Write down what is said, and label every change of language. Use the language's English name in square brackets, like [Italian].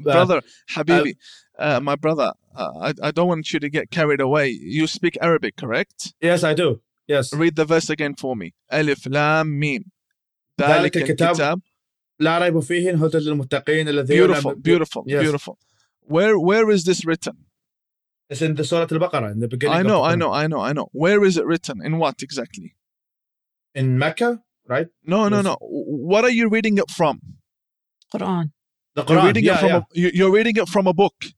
[English] Brother, Habibi, my brother, I don't want you to get carried away. You speak Arabic, correct? Yes, I do. Yes. Read the verse again for me. Alif Lam Mim. [Arabic] ذلك الكتاب لا ريب فيه هدى للمتقين الذين [English] beautiful beautiful yes. beautiful. Where is this written? It's in the Surah Al-Baqarah, in the beginning. I know. Where is it written? In what exactly? In Mecca, right? No. What are you reading it from? Quran. The Quran. You're reading it from a book.